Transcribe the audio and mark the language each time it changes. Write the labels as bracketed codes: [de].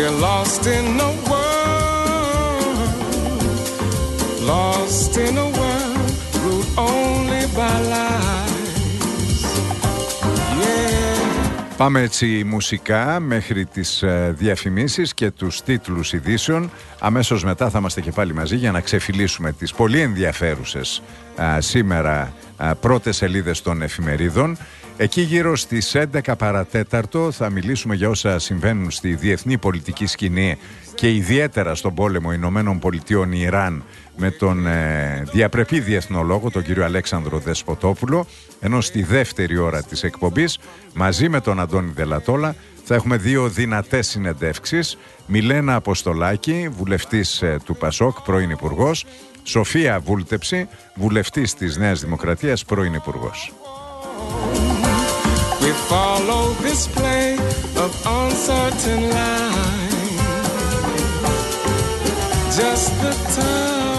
[en] Lost in a world, lost in a world ruled only by lies. Yeah. [el] Πάμε έτσι μουσικά μέχρι τις διαφημίσεις και τους τίτλους ειδήσεων. Αμέσως μετά θα είμαστε και πάλι μαζί για να ξεφυλίσουμε τις πολύ ενδιαφέρουσες σήμερα πρώτες σελίδες των εφημερίδων. Εκεί γύρω στις 11 παρατέταρτο θα μιλήσουμε για όσα συμβαίνουν στη διεθνή πολιτική σκηνή και ιδιαίτερα στον πόλεμο Ηνωμένων Πολιτειών Ιράν με τον διαπρεπή διεθνολόγο, τον κύριο Αλέξανδρο Δεσποτόπουλο, ενώ στη δεύτερη ώρα της εκπομπής μαζί με τον Αντώνη Δελατόλα θα έχουμε δύο δυνατές συνεντεύξεις. Μιλένα Αποστολάκη, βουλευτής του ΠΑΣΟΚ, πρώην υπουργός. Σοφία Βούλτεψη, βουλευτής της Νέας Δημοκρατίας, πρώην υπουργός. [en] We follow this play of uncertain lines. Just the time.